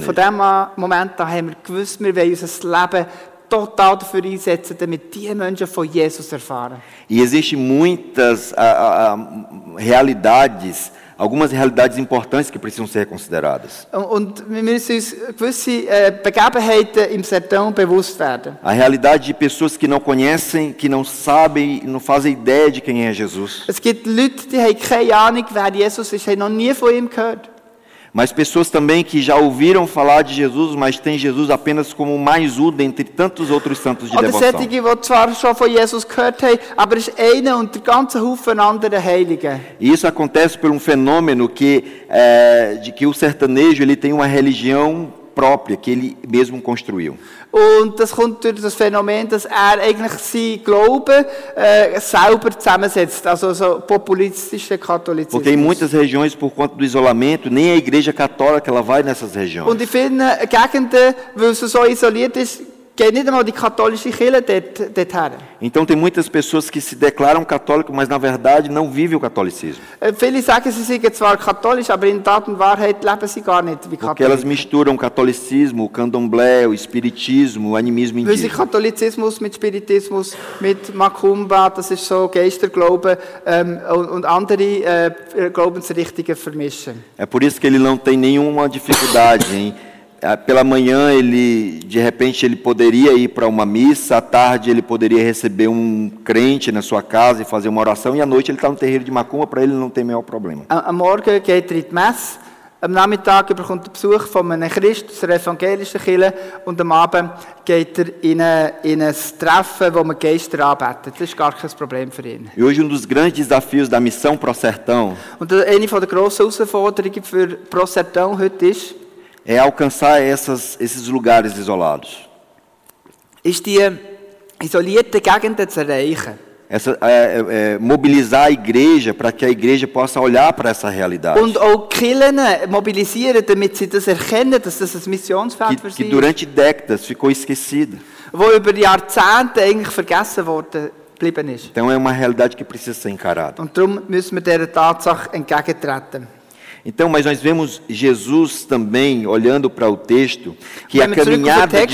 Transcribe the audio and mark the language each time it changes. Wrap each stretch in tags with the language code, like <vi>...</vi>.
<de>Von dem Moment an haben wir gewusst, wir wollen unser Leben total dafür einsetzen, damit die Menschen von Jesus erfahren.</de> <pt>E existem muitas realidades, algumas realidades importantes que precisam ser consideradas.</pt> <de>Und wir müssen uns gewisse Begebenheiten im Sertão bewusst werden.</de> <pt>A realidade de pessoas que não conhecem, que não sabem, não fazem ideia de quem é Jesus.</pt> <de>Es gibt Leute, die haben keine Ahnung, wer Jesus ist, haben noch nie von ihm gehört.</de> <pt>Mas pessoas também que já ouviram falar de Jesus, mas têm Jesus apenas como mais um dentre tantos outros santos de devoção.</pt> <de>Oder solche, die zwar schon von Jesus gehört haben, aber es ist einer und der ganze Haufen anderer Heiligen.</de> <pt>Isso acontece por fenômeno que, de que o sertanejo ele tem uma religião própria que ele mesmo construiu.</pt> <de>Und das kommt durch das Phänomen, dass eigentlich sein Glauben selber zusammensetzt, also so populistischer Katholizismus.</de> <pt>Porque em muitas regiões, por conta do isolamento, nem a Igreja Católica ela vai nessas regiões.</pt> <de>Und in vielen Gegenden, weil sie so isoliert ist, gehen nicht einmal die katholische Kirche dort her.</de> <pt>Então tem muitas pessoas que se declaram católico, mas na verdade não vivem o catolicismo.</pt> <de>Viele sagen, sie sind zwar katholisch, aber in Tat und Wahrheit leben sie gar nicht wie Katholiken.</de> <pt>Porque elas misturam o catolicismo, o candomblé, o espiritismo, o animismo indígena.</pt> <de>Weil sie Katholizismus mit Spiritismus, mit Macumba, das ist so Geisterglaube, und andere Glaubensrichtungen vermischen.</de> <pt>É por isso que ele não tem nenhuma dificuldade em... Pela manhã, ele, de repente, ele poderia ir para uma missa. À tarde, ele poderia receber um crente na sua casa e fazer uma oração. E à noite, ele está no terreiro de Macumba. Para ele, não tem maior problema.</pt> <de>Am Morgen geht er in die Messe. Am Nachmittag überkommt der Besuch von einem Christ aus der evangelischen Kirche. Und am Abend geht er in ein Treffen, wo man Geister anbetet. Das ist gar kein Problem für ihn.</de> <pt>E hoje, dos grandes desafios da missão pro Sertão.</pt> <de>Und eine der grossen Herausforderungen für pro Sertão heute ist,</de> <pt>é alcançar esses lugares isolados.</pt> <de>Ist die isolierte Gegenden zu erreichen.</de> <pt>Mobilizar a igreja para que a igreja possa olhar para essa realidade.</pt> <de>Und auch Kirchen mobilisieren, damit sie das erkennen, dass das ein Missionsfeld für sie ist.</de> <pt>Que durante décadas ficou esquecida.</pt> <de>Wo über Jahrzehnte eigentlich vergessen worden geblieben ist.</de> <pt>Então é uma realidade que precisa ser encarada.</pt> <de>Und darum müssen wir dieser Tatsache entgegentreten.</de> <pt>Então, mas nós vemos Jesus também, olhando para o texto, que a caminhada de</pt>